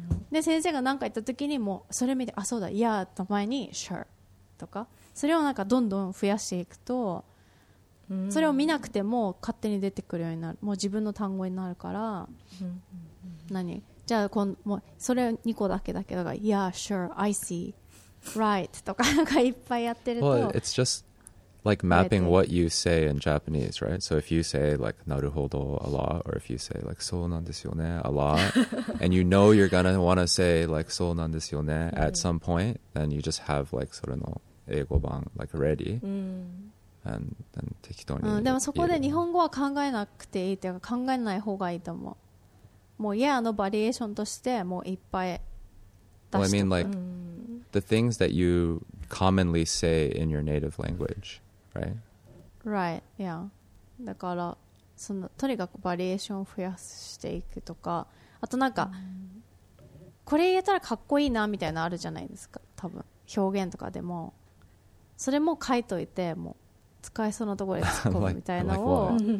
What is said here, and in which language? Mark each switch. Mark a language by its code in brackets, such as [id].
[ja] で先生が何か言った時にもうそれ見て、あそうだやーの前に sureとか、それをなんかどんどん増やしていくと、それを見なくても勝手に出てくるようになる、もう自分の単語になるから、何じゃあこんもうそれ2個だけだけど、が [en] Yeah, sure, I see, right [ja] とかなんかいっぱいやってると、 [en] well, it's just like mapping what you say in Japanese, right? So if you say like [ja] なるほど [en] a lot, or if you say like [ja] そうなんですよね [en] a lot, and you know you're gonna wanna say like そうなんですよね at some point, then you just have like [ja] それの英語版 [en] like ready, and then [ja] 適当に、でもそこで日本語は考えなくていいというか考えない方がいいと思う。もう yeah のバリエーションとしてもういっぱい出して。 [en] Well, I mean like the things that youcommonly say in your native language, right? Right, yeah. [ja] だからそのとにかくバリエーションを増やしていくとか、あとなんか、これ言えたらかっこいいなみたいなあるじゃないですか、多分表現とかでも。それも書いといて、もう使えそうなところで突っ込むみたいなのを。